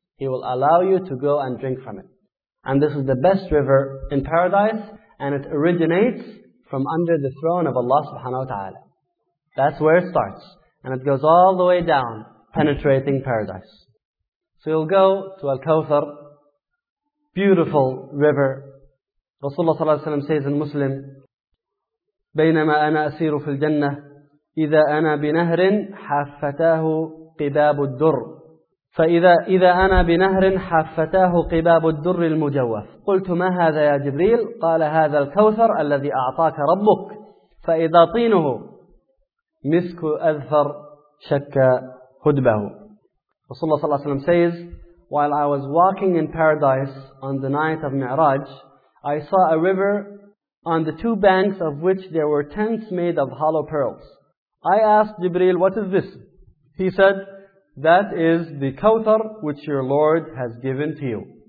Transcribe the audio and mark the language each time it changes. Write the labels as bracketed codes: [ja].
[en] He will allow you to go and drink from it. And this is the best river in paradise, and it originates from under the throne of Allah subhanahu wa ta'ala. That's where it starts. And it goes all the way down, penetrating paradise. So you'll go to Al-Kawthar, beautiful river. Rasulullah sallallahu alayhi wa sallam says in Muslim, [ar] بَيْنَمَا أَنَا أَسِيرُ فِي الْجَنَّةِ إِذَا أَنَا بِنَهْرٍ حَافَّتَاهُ قِبَابُ الدُّرُّ فَإِذَا أَنَا بِنَهْرٍ حَافَّتَاهُ قِبَابُ الدُّرِّ الْمُجَوَّفِ قُلْتُ مَا هَذَا يَا جِبْرِيلُ قَالَ هَذَا الْكَوْثَرُ الَّذِي أَعْطَاكَ رَبُّكَ فَإِذَا طِينُهُ مِسْكُ أَذْفَرْ شَكَّ هُدْبَهُ. [en] Rasulullah sallallahu alayhi wa sallam says, while I was walking in paradise on the night of Mi'raj, I saw a river on the two banks of which there were tents made of hollow pearls. I asked Jibreel, what is this? He said, that is the Kawthar which your Lord has given to you.